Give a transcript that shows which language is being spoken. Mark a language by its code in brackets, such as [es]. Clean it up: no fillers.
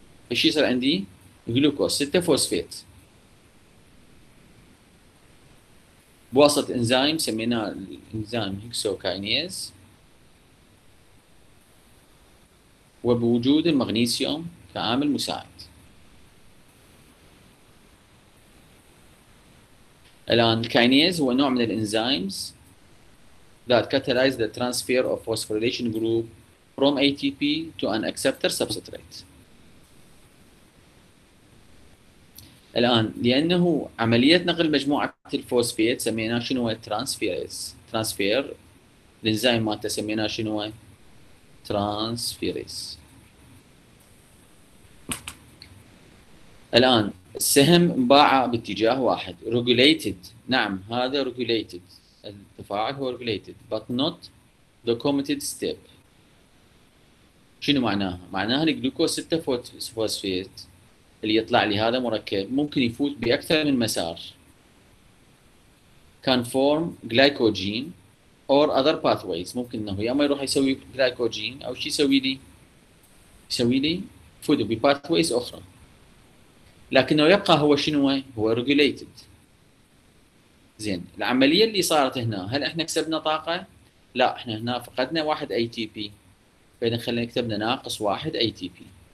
[ar] ايش يصير عندي؟ جلوكوز 6 فوسفيت بواسطة انزيم سميناه انزيم هيكسوكاينيز وبوجود المغنيسيوم كعامل مساعد. الان الكاينيز هو نوع من الانزيمز [en] that catalyze the transfer of phosphorylation group from ATP to an acceptor substrate. [ar] الان لانه عمليه نقل مجموعه الفوسفيت سميناها شنو؟ ترانسفيرز، ترانسفير الانزيم مالته سميناه شنو؟ ترانسفيرز. الان السهم انباع باتجاه واحد ريجوليتد، نعم هذا ريجوليتد، التفاعل هو [en] Regulated but not the committed step. [ar] شنو معناها؟ معناها الجلوكوز 6 فوسفيت اللي يطلع لي هذا مركب ممكن يفوت باكثر من مسار، [en] can form glycogen or other pathways. [ar] ممكن انه يا ما يروح يسوي glycogen او شيء يسوي لي food ب pathways اخرى. لكنه يبقى هو شنو؟ هو regulated. زين، العملية اللي صارت هنا، هل احنا كسبنا طاقة؟ لا، احنا هنا فقدنا واحد اي تي بي، فإذا خلينا كتبنا ناقص واحد اي تي بي.